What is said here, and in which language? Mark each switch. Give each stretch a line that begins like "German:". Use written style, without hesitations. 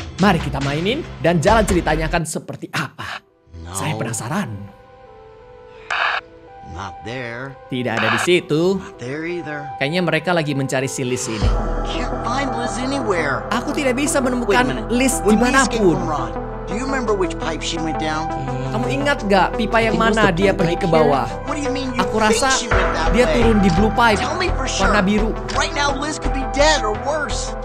Indonesian: Mari kita mainin dan jalan ceritanya akan seperti apa. No. Saya penasaran.
English: Not there.
Indonesian: Tidak ada di situ.
English: Not there either.
Indonesian: Kayaknya mereka lagi mencari si Liz ini.
English: Can't find Liz anywhere.
Indonesian: Aku tidak bisa menemukan Liz dimanapun.
English: Rod, do you remember which pipe she went down?
Indonesian: Kamu ingat gak pipa yang mana dia pergi ke bawah?
English: What do you mean?
Indonesian: Aku rasa dia turun di blue pipe.
English: Tell me for sure.
Indonesian: Warna biru.
English: Right now Liz could be dead or worse.